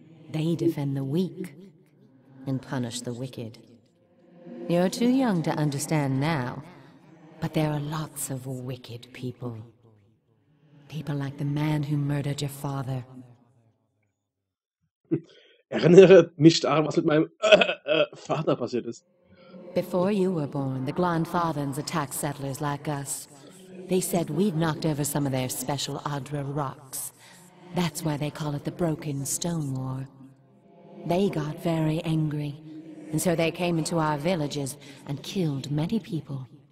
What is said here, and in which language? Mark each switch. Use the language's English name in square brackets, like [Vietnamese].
[English] They defend the weak and punish the wicked. You're too young to understand now, but there are lots of wicked people. People like the man who murdered your father. [German] Erinnere mich daran, was mit meinem Vater passiert ist. [English] Before you were born, the Glanfathans attacked settlers like us. They said we'd knocked over some of their special Adra rocks. That's why they call it the Broken Stone War. They got very angry, and so they came into our villages and killed many people.